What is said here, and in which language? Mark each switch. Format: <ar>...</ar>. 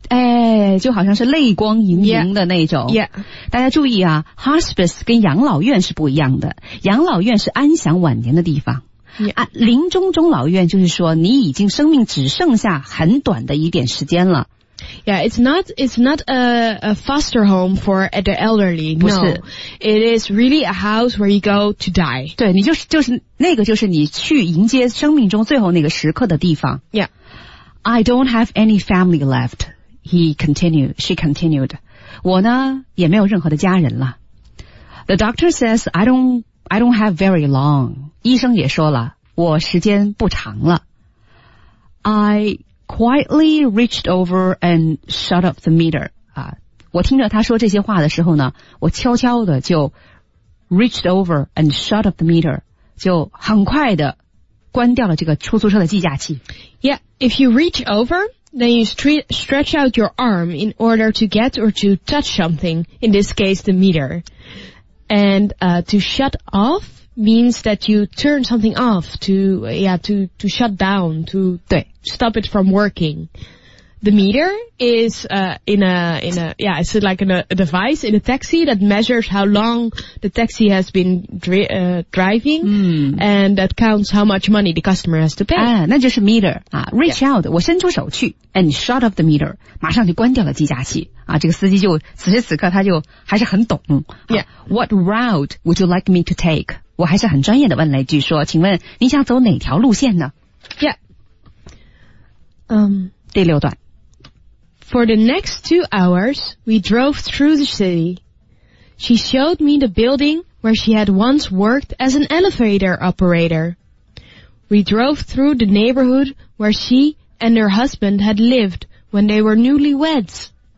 <zh>哎，就好像是泪光盈盈的那种。</zh> <en>Yeah.</en> <zh>大家注意啊， hospice 跟养老院是不一样的。养老院是安享晚年的地方。</zh> <en>Yeah.</en> <zh>啊，临终中老院就是说你已经生命只剩下很短的一点时间了。</zh> <en>Yeah, it's not a foster home for the elderly. No, it is really a house where you go to die.</en> <zh>对，你就是那个就是你去迎接生命中最后那个时刻的地方。</zh> <en>Yeah, I don't have any family left. He continued. She continued.</en> <zh>我呢也没有任何的家人了。</zh> <en>The doctor says I don't have very long.</en> <zh>医生也说了，我时间不长了。</zh> <en>I quietly reached over and shut up the meter.</en> <zh>啊，我听着他说这些话的时候呢，我悄悄的就</zh> <en>reached over and shut up the meter，</en> <zh>就很快的关掉了这个出租车的计价器。</zh> <en>Yeah, if you reach over, then you stretch out your arm in order to get or to touch something. In this case, the meter. And to shut off means that you turn something off to shut down to</en> <zh>对。</zh> <en>Stop it from working. The meter is it's like a device in a taxi that measures how long the taxi has been driving, and that counts how much money the customer has to pay.</en> <zh>啊，那就是 meter 啊 ，</zh> <en>reach out，</en> <zh>我伸出手去 ，</zh> <en>and shut off the meter，</en> <zh>马上就关掉了计价器啊。这个司机就此时此刻他就还是很懂。</zh> <en>Yeah. What route would you like me to take？</en> <zh>我还是很专业的问了一句说，请问你想走哪条路线呢</zh> <en>？Yeah.</en> <zh>第六段。</zh> <en>For the next 2 hours, we drove through the city. She showed me the building where she had once worked as an elevator operator. We drove through the neighborhood where she and her husband had lived when they were newlyweds.</en>